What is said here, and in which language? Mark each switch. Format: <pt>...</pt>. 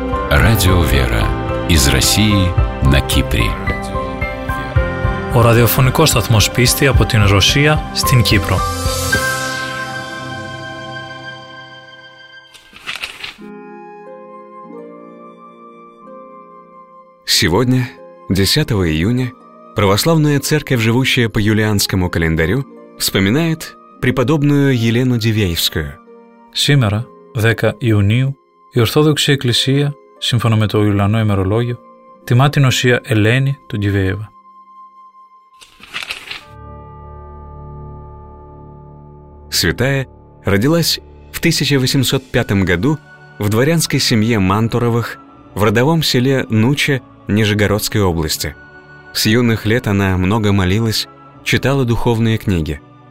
<ru>Радио «Вера» из России на Кипре.</ru> <el>Ο ραδιοφωνικός σταθμός πίστη από την Ρωσία στην Κύπρο.</el> <ru>Сегодня, 10 июня, Православная Церковь, живущая по юлианскому календарю, вспоминает преподобную Елену Дивеевскую. Сегодня, 10 июня,</ru> <el>η Ορθόδοξη Εκκλησία, σύμφωνα με το Ιουλιανό ημερολόγιο, τιμά την οσία Ελένη του Ντιβέιβα.</el> <ru>Святая родилась в 1805 году в дворянской семье Мантуровых в родовом селе Нуча Нижегородской области. С юных лет она много молилась, читала духовные книги.</ru>